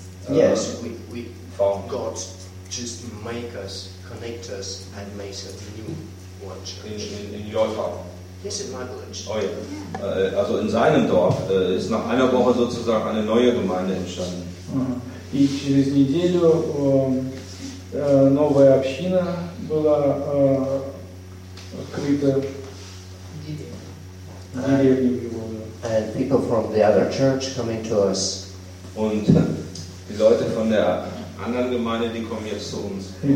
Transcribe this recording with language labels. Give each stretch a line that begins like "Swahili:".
English: Yes, we found God just make us, connect us, and make a new one church. In your town. Yes, in my village. Oh, yeah.
German: Also in seinem Dorf ist nach einer Woche sozusagen eine neue Gemeinde entstanden.
Russian: И через неделю новая община была открыта.
English: And people from the other church coming to us.
German: Und die Leute von der anderen Gemeinde, die kommen jetzt zu uns.